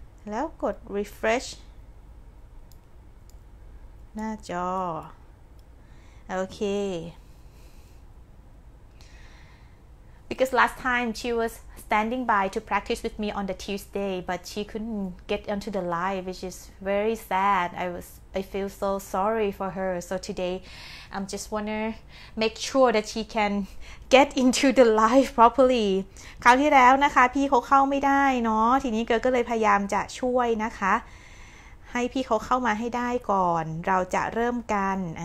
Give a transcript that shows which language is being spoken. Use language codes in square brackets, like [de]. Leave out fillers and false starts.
[th] แล้วกด refresh หน้าจอโอเค [en] Because last time she was standing by to practice with me on the Tuesday, but she couldn't get onto the live, which is very sad. I feel so sorry for her. So today, I'm just wanna make sure that she can get into the live properly. [th] คราวที่แล้วนะคะพี่เขาเข้าไม่ได้เนาะทีนี้เกิร์ลก็เลยพยายามจะช่วยนะคะให้พี่เขาเข้ามาให้ได้ก่อนเราจะเริ่มกัน